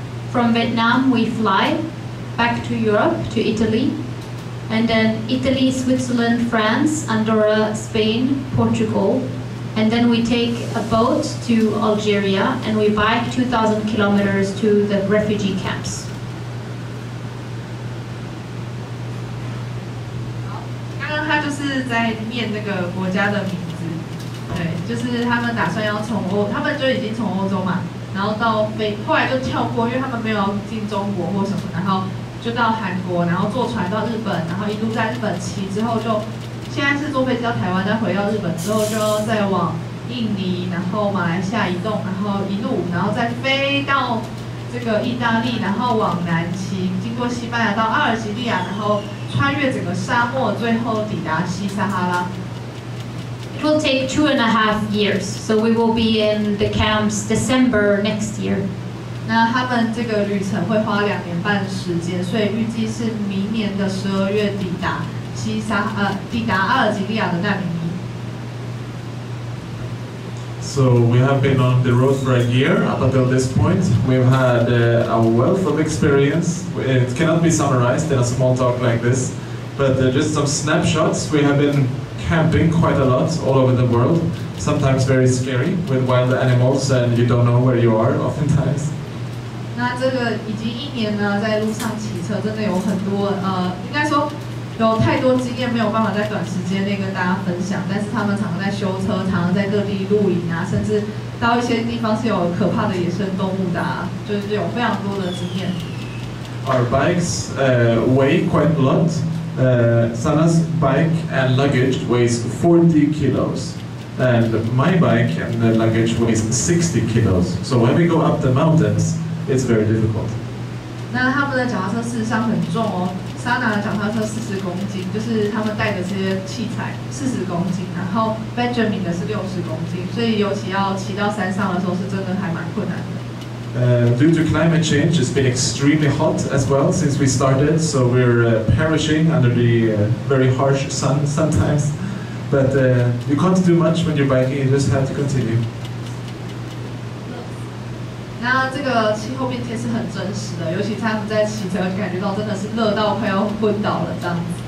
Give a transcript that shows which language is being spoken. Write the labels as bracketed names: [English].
[English] From Vietnam, we flyback to Europe, to Italy, and then Italy, Switzerland, France, Andorra, Spain, Portugal, and then we take a boat to Algeria, and we bike 2,000 kilometers to the refugee camps. [Chinese] 刚刚他就是在念那个国家的名字，对，就是他们打算要从欧，他们就已经从欧洲嘛，然后到飞，后来就跳过，因为他们没有进中国或什么，然后。就到韩国，然后坐船到日本，然后一路在日本骑，之后就现在是坐飞机到台湾，再回到日本之后就再往印尼，然后马来西亚移动，然后一路，然后再飞到这个意大利，然后往南骑，经过西班牙到阿尔及利亚，然后穿越整个沙漠，最后抵达西撒哈拉。 [English] It will take 2.5 years, so we will be in the camps December next year. [Chinese] 那他们这个旅程会花两年半时间，所以预计是明年的12月抵达西撒抵达阿尔及利亚的难民营。 [English] So we have been on the road for a year up until this point. We've had a wealth of experience. It cannot be summarized in a small talk like this. But just some snapshots, we have been camping quite a lot all over the world, sometimes very scary with wild animals and you don't know where you are oftentimes. [Chinese] 那这个已经一年呢，在路上骑车，真的有很多应该说有太多经验，没有办法在短时间内跟大家分享。但是他们常常在修车，常常在各地露营啊，甚至到一些地方是有可怕的野生动物的、啊，就是有非常多的经验。 [English] Our bikes weigh quite a lot. Sanna's bike and luggage weighs 40 kilos. And my bike and the luggage weighs 60 kilos. So when we go up the mountains, it's very difficult. [Chinese] 那他们的脚踏车事实上很重哦。 Sanna 的脚踏车40公斤，就是他们带的这些器材40公斤。然后 Benjamin 的是60公斤，所以尤其要骑到山上的时候，是真的还蛮困难的。 [English] Due to climate change, it's been extremely hot as well since we started. So we're perishing under the very harsh sun sometimes. But you can't do much when you're biking, you just have to continue. [Chinese] 那这个气候变迁是很真实的，尤其他们在骑车感觉到真的是热到快要昏倒了这样子。